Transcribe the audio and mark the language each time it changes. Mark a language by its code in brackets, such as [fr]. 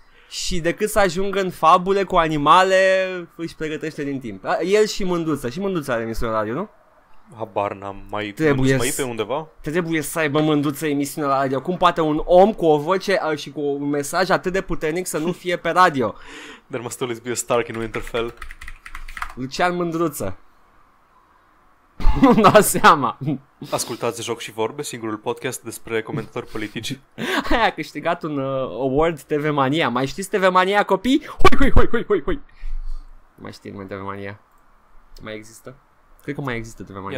[ro] Și decât să ajungă în fabule cu animale, își pregătește din timp. El și Mânduță, și Mânduță are emisiunea radio, nu? Habar n-am, mai trebuie mai pe undeva? Trebuie să aibă Mânduță emisiunea la radio. Cum poate un om cu o voce și cu un mesaj atât de puternic să nu fie pe radio? [en] There must always be a Stark in Winterfell. [ro] Lucian Mânduță. Nu-mi dau seama. Ascultați Joc și Vorbe, singurul podcast despre comentatori politici. Aia a câștigat un award TV Mania. Mai știți TV Mania, copii? Hui. Mai știi numai TV Mania. Mai există? Cred că mai există TV Mania.